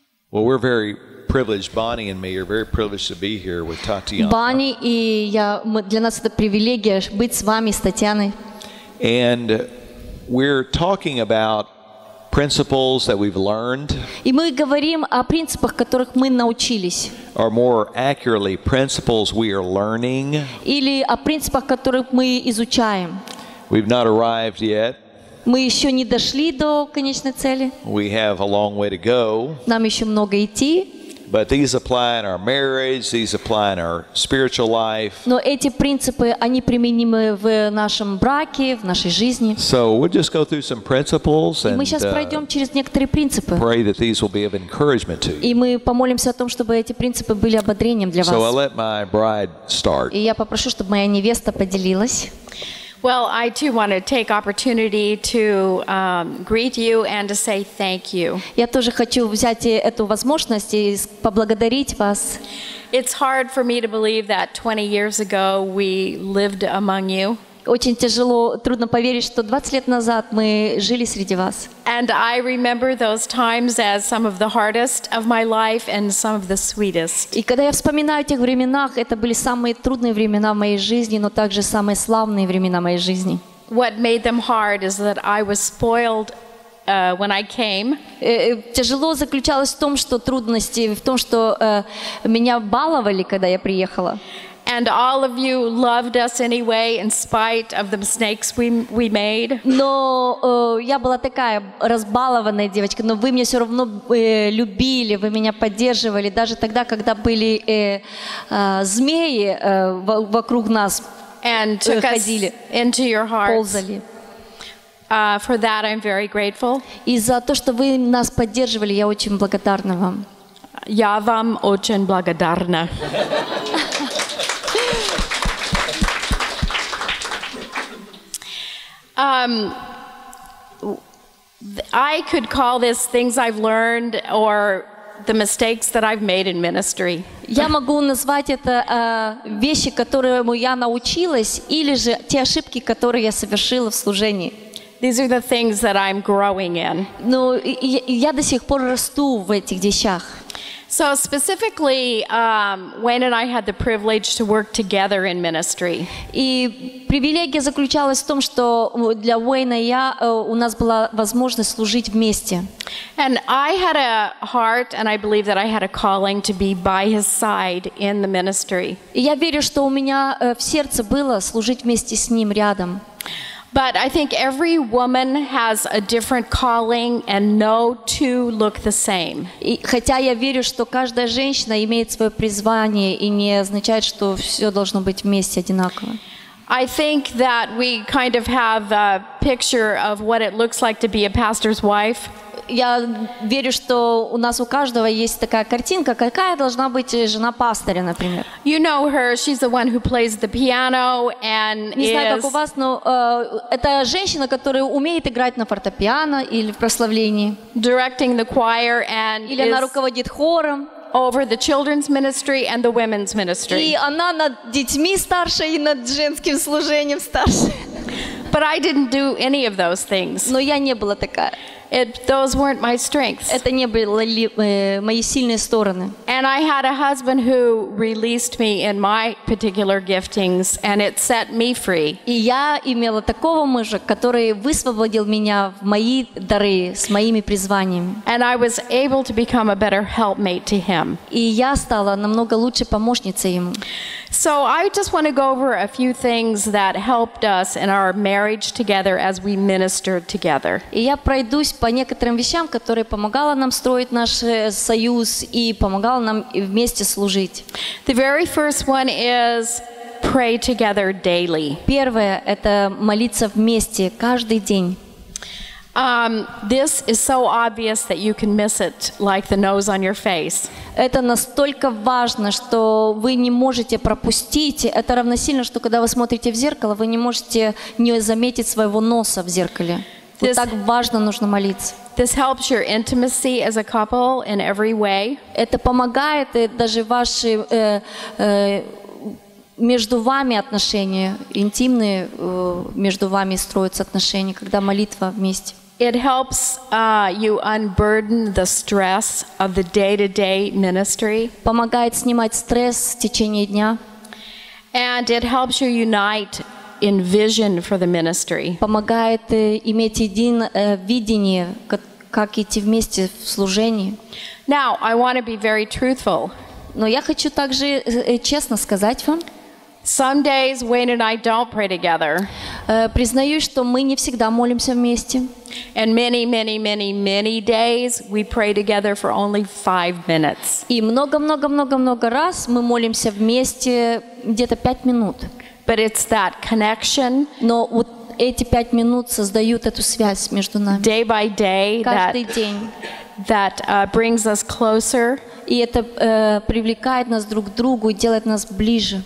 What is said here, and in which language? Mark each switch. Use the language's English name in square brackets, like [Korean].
[English] Well, we're very privileged, Bonnie and me, you're very privileged to be here with Tatiana. [Russian] Bonnie и я, для нас это привилегия быть с вами, с Татьяной. [English] And we're talking about principles that we've learned. [Russian] И мы говорим о принципах, которых мы научились. [English] Or more accurately, principles we are learning. [Russian] Или о принципах, которых мы изучаем. [English] We've not arrived yet. [Russian] Мы еще не дошли до конечной цели. [English] We have a long way to go. [Russian] Нам еще много идти. [English] But these apply in our marriage, these apply in our spiritual life. [Russian] Но эти принципы, они применимы в нашем браке, в нашей жизни. [English] So we'll just go through some principles and [Russian] мы сейчас пройдем через некоторые принципы. [English] Pray that these will be of encouragement to you. [Russian] И мы помолимся о том, чтобы эти принципы были ободрением для вас. [English] So I'll let my bride start. [Russian] И я попрошу, чтобы моя невеста поделилась. [English] Well, I too want to take opportunity to greet you and to say thank you. [Russian] Я тоже хочу взять эту возможность и поблагодарить вас. [English] It's hard for me to believe that 20 years ago we lived among you. [Russian] Очень тяжело, трудно поверить, что 20 лет назад мы жили среди вас. [English] And I remember those times as some of the hardest of my life and some of the sweetest. [Russian] И когда я вспоминаю тех времена, это были самые трудные времена в моей жизни, но также самые славные времена моей жизни. [English] What made them hard is that I was spoiled when I came. [Russian] Тяжело заключалось в том, что трудности в том, что меня баловали, когда я приехала. [English] And all of you loved us anyway, in spite of the mistakes we made. [Russian] Но я была такая разбалованная девочка, но вы меня все равно любили, вы меня поддерживали, даже тогда, когда были змеи вокруг нас ходили, [English] into your hearts. [Russian] Ползали. [English] For that I'm very grateful. [Russian] И за то, что вы нас поддерживали, я очень благодарна вам. Я вам очень благодарна. [English] I could call this things I've learned or the mistakes that I've made in ministry. [Russian] Я могу назвать это вещи, которым я научилась, или же те ошибки, которые я совершила в служении. [English] These are the things that I'm growing in. [Russian] Ну, я до сих пор расту в этих вещах. [English] So specifically, Wayne and I had the privilege to work together in ministry. [Russian] И привилегия заключалась в том, что для Уэйна и я у нас была возможность служить вместе. [English] And I had a heart, and I believe that I had a calling to be by his side in the ministry. [Russian] И я верю, что у меня в сердце было служить вместе с ним рядом. [English] But I think every woman has a different calling, and no two look the same. [Russian] И хотя я верю, что каждая женщина имеет свое призвание, и не означает, что все должно быть вместе одинаково. [English] I think that we kind of have a picture of what it looks like to be a pastor's wife. [Russian] Я верю, что у нас у каждого есть такая картинка, какая должна быть жена пастора, например. [English] You know her, she's the one who plays the piano and is... [Russian] Не знаю, как у вас, но это женщина, которая умеет играть на фортепиано или в прославлении. [English] Directing the choir and [Russian] или она руководит хором. [English] Over the children's ministry and the women's ministry. [Russian] И она над детьми старше и над женским служением старше. [English] But I didn't do any of those things. [Russian] Но я не была такая. [English] Those weren't my strengths. [Russian] Это не были мои сильные стороны. [English] And I had a husband who released me in my particular giftings, and it set me free. [Russian] И я имела такого мужа, который высвободил меня в мои дары с моими призваниями. [English] And I was able to become a better helpmate to him. [Russian] И я стала намного лучше помощницей ему. [English] So I just want to go over a few things that helped us in our marriage together as we ministered together. [Russian] И я пройдусь по некоторым вещам, которые помогали нам строить наш союз и помогали нам вместе служить. [English] The very first one is pray together daily. [Russian] Первое – это молиться вместе каждый день. [English] This is so obvious that you can miss it like the nose on your face. [Russian] Это настолько важно, что вы не можете пропустить. Это равносильно, что когда вы смотрите в зеркало, вы не можете не заметить своего носа в зеркале. Вот так важно нужно молиться. [English] This helps your intimacy as a couple in every way. [Russian] Это помогает даже ваши между вами отношения, интимные между вами строятся отношения, когда молитва вместе. [English] It helps you unburden the stress of the day-to-day ministry. [Russian] Помогает снимать стресс в течение дня. [English] And it helps you unite in vision for the ministry. [Russian] Помогает иметь единое видение, как идти вместе в служении. [English] Now, I want to be very truthful. [Russian] Но я хочу также честно сказать вам. [English] Some days Wayne and I don't pray together. [Russian] Признаюсь, что мы не всегда молимся вместе. [English] And many days we pray together for only 5 minutes. [Russian] И много раз мы молимся вместе где-то 5 минут. [English] But it's that connection. [Russian] Но вот эти 5 минут создают эту связь между нами. [English] Day by day, [Russian] каждый день. [English] That brings us closer. [Russian] И это привлекает нас друг к другу и делает нас ближе.